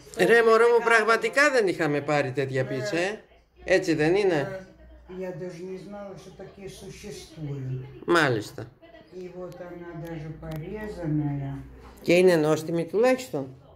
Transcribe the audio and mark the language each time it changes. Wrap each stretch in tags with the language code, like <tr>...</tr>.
<el>Ρε μωρό μου, πραγματικά δεν είχαμε πάρει τέτοια πίτσα, ε? Έτσι δεν είναι?</el> <ru>Я даже не знала, что такие существуют.</ru> <el>Μάλιστα.</el> <ru>И вот она даже порезанная.</ru> <el>Και είναι νόστιμη τουλάχιστον.</el>